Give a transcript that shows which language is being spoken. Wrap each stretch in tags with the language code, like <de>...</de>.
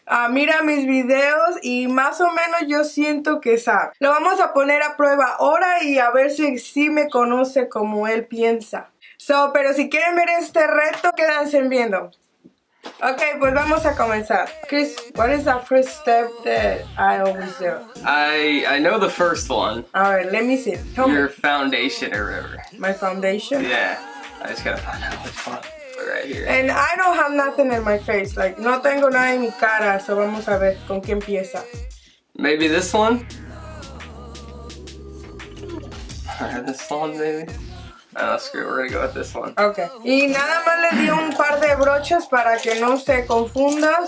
<es>Mira mis videos y más o menos yo siento que sabe. Lo vamos a poner a prueba ahora y a ver si me conoce como él piensa. Pero si quieren ver este reto, quédense viendo. Ok, pues vamos a comenzar.</es> <en>Chris, what is the first step that I always do? I know the first one. All right, let me see. Tell Your me. Foundation or whatever. My foundation? Yeah, I just gotta find out which one. Right here. And I don't have nothing in my face.</en> <es>Like, no tengo nada en mi cara. So vamos a ver con qué empieza.</es> <en>Maybe this one? This one, maybe? No, screw it. We're gonna go with this one.</en> <es>Okay. Y nada más le di un par de brochas para que no se confunda.</es>